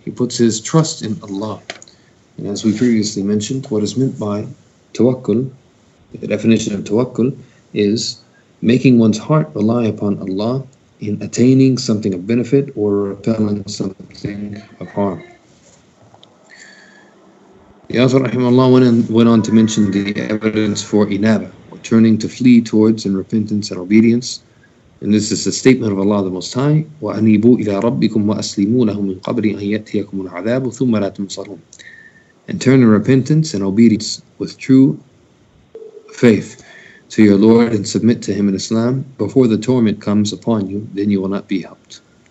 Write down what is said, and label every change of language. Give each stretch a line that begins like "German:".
English: He puts his trust in Allah. And as we previously mentioned, what is meant by tawakkul, the definition of tawakkul, is making one's heart rely upon Allah in attaining something of benefit or repelling something of harm. The author, rahimahullah, went on to mention the evidence for inaba, or turning to flee towards in repentance and obedience. And this is the statement of Allah the Most High,
Arabic: وَأَنِيبُوا إِلَىٰ رَبِّكُمْ وَأَسْلِمُوا لَهُ مِنْ قَبْرِ أَنْ يَأْتِيَكُمُ الْعَذَابُ ثُمَّ لَا تُنْصَرُونَ.
English: And turn in repentance and obedience with true faith to your Lord and submit to Him in Islam before the torment comes upon you, then you will not be helped.